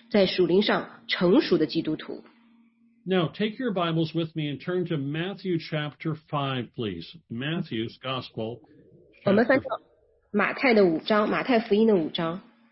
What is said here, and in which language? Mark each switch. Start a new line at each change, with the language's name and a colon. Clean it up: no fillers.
Chinese: 那这里的完全呢，也不是指我们前面说的这个完全无罪、完全圣洁的意思，而是指在属灵上成熟的基督徒。
English: Now, take your Bibles with me and turn to Matthew chapter 5, please. Matthew's Gospel.
Chinese: 我们翻到马太的五章，马太福音的五章。